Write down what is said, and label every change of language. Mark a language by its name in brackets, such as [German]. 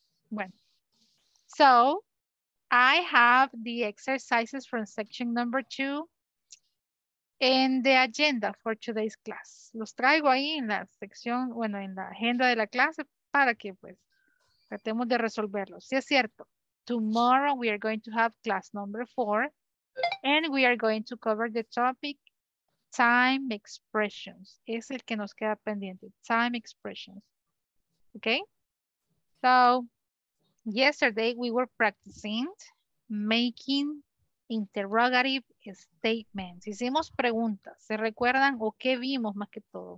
[English] Bueno, so I have the exercises from section number 2 in the agenda for today's class. [Spanish] Los traigo ahí en la sección, bueno, en la agenda de la clase para que pues tratemos de resolverlos. Sí, es cierto. [English] Tomorrow we are going to have class number 4 and we are going to cover the topic time expressions. [Spanish] Es el que nos queda pendiente, time expressions. [English] Okay? So yesterday, we were practicing making interrogative statements. [Spanish] Hicimos preguntas. ¿Se recuerdan o qué vimos más que todo?